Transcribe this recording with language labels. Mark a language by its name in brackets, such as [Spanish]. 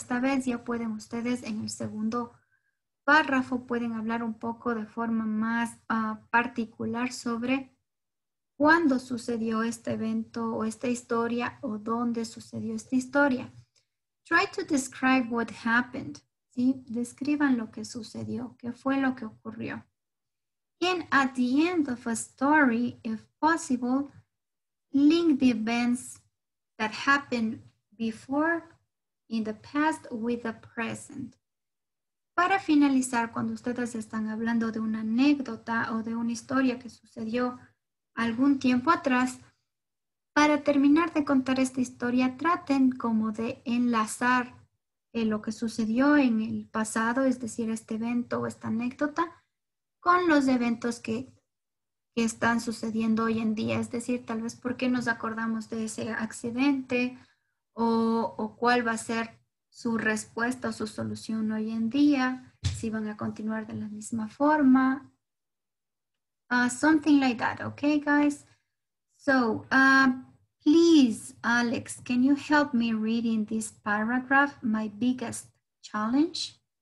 [Spanish] Esta vez ya pueden ustedes en el segundo párrafo pueden hablar un poco de forma más particular sobre cuándo sucedió este evento o esta historia o dónde sucedió esta historia. [English] Try to describe what happened, [Spanish] ¿sí? Describan lo que sucedió, qué fue lo que ocurrió. [English] And at the end of a story, if possible, link the events that happened before in the past with the present. [Spanish] Para finalizar, cuando ustedes están hablando de una anécdota o de una historia que sucedió algún tiempo atrás, para terminar de contar esta historia, traten como de enlazar lo que sucedió en el pasado, es decir, este evento o esta anécdota, con los eventos que están sucediendo hoy en día. Es decir, tal vez por qué nos acordamos de ese accidente o cuál va a ser su respuesta o su solución hoy en día, si van a continuar de la misma forma. [English] Something like that, okay, guys? So, please, Alex, can you help me reading this paragraph, my biggest challenge?